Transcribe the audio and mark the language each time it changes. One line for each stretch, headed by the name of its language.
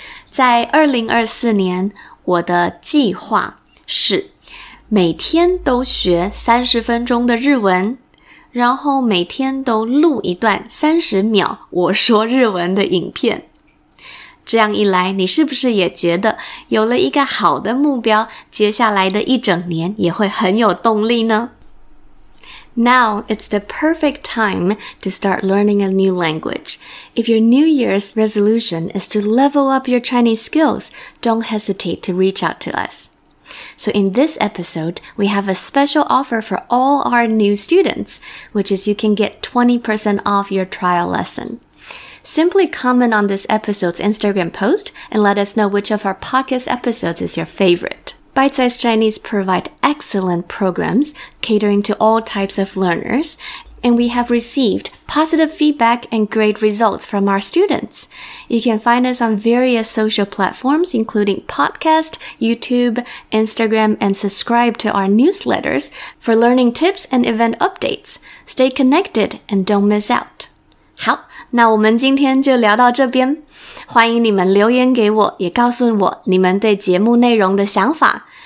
Chinese: 在2024年，我的计划是每天都学30分钟的日文，然后每天都录一段30秒我说日文的影片。这样一来，你是不是也觉得有了一个好的目标，接下来的一整年也会很有动力呢？
English: Now it's the perfect time to start learning a new language. If your New Year's resolution is to level up your Chinese skills, don't hesitate to reach out to us. So in this episode, we have a special offer for all our new students, which is you can get 20% off your trial lesson. Simply comment on this episode's Instagram post and let us know which of our podcast episodes is your favorite. Bite-sized Chinese provide excellent programs catering to all types of learners, and we have received positive feedback and great results from our students. You can find us on various social platforms, including podcast, YouTube, Instagram, and subscribe to our newsletters for learning tips and event updates. Stay connected and don't miss out.
Chinese: 好，那我们今天就聊到这边。欢迎你们留言给我，也告诉我你们对节目内容的想法。